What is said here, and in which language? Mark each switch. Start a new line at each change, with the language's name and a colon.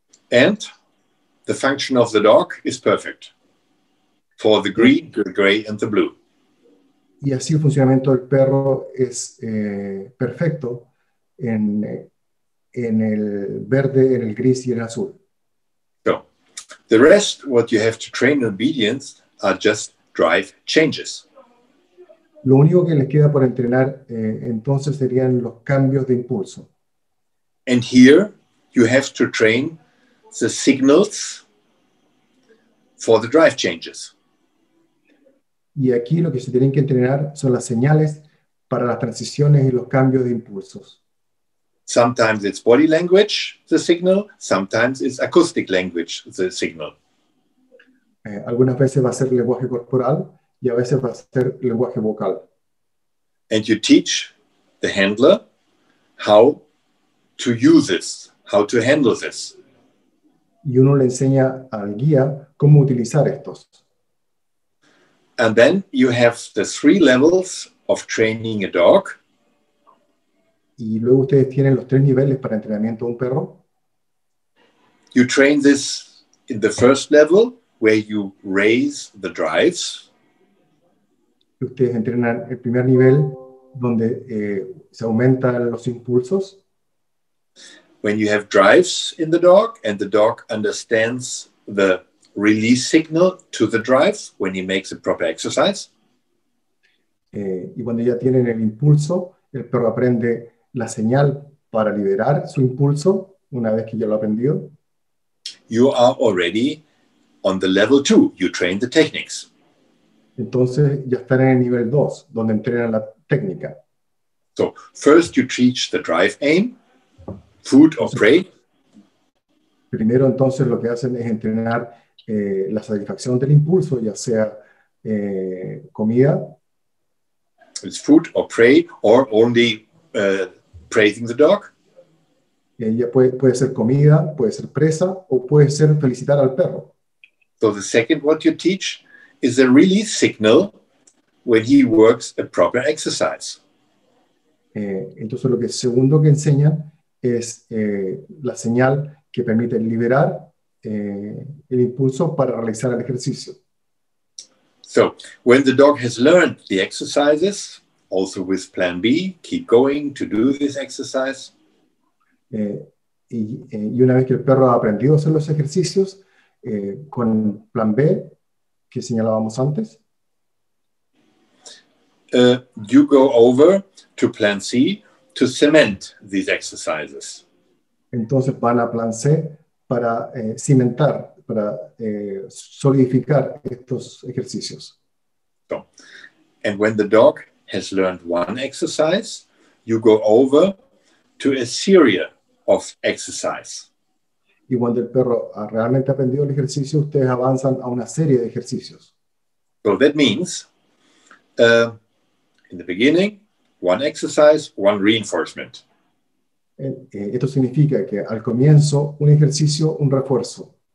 English: And the function of the dog is perfect for the green, the gray, and the blue.
Spanish: Y así el funcionamiento del perro es perfecto en el verde, en el gris y en el azul.
English: So, the rest, what you have to train in obedience, are just drive changes.
Spanish: Lo único que les queda por entrenar entonces serían los cambios de impulso.
English: And here, you have to train the signals for the drive changes.
Spanish: Y aquí lo que se tienen que entrenar son las señales para las transiciones y los cambios de impulsos.
English: Sometimes it's body language, the signal. Sometimes it's acoustic language, the signal.
Spanish: Algunas veces va a ser lenguaje corporal y a veces va a ser lenguaje vocal.
English: And you teach the handler how to use this, how to handle this.
Spanish: Y uno le enseña al guía cómo utilizar estos.
English: And then you have the three levels of training a dog.
Spanish: Y luego ustedes tienen los tres niveles para entrenamiento de un perro.
English: You train this in the first level where you raise the drives.
Spanish: Ustedes entrenan el primer nivel donde se aumentan los impulsos.
English: When you have drives in the dog and the dog understands the release signal to the drives when he makes a proper exercise.
Spanish: Y cuando ya tienen el impulso, el perro aprende la señal para liberar su impulso una vez que ya lo ha aprendido.
English: You are already on the level 2. You train the techniques.
Spanish: Entonces ya están en el nivel 2, donde entrenan la técnica.
English: So, first you teach the drive aim, food or prey.
Spanish: Primero entonces lo que hacen es entrenar la satisfacción del impulso, ya sea comida.
English: It's food or prey, or only praising the dog.
Spanish: Ella puede ser comida, puede ser presa, o puede ser felicitar al perro.
English: So the second what you teach is a release signal when he works a proper exercise.
Spanish: Entonces lo que segundo que enseña es la señal que permite liberar el impulso para realizar el ejercicio.
English: So, when the dog has learned the exercises, also with plan B, keep going to do this exercise.
Spanish: Y una vez que el perro ha aprendido a hacer los ejercicios, con plan B, que señalábamos antes,
English: you go over to plan C to cement these exercises.
Spanish: Entonces van a plan C para cimentar, para solidificar estos ejercicios.
English: So, and when the dog has learned one exercise, you go over to a series of exercises.
Spanish: Y cuando el perro ha realmente aprendido el ejercicio, ustedes avanzan a una serie de ejercicios.
English: So that means, in the beginning, one exercise, one reinforcement.
Spanish: Esto significa que al comienzo, un ejercicio, un refuerzo.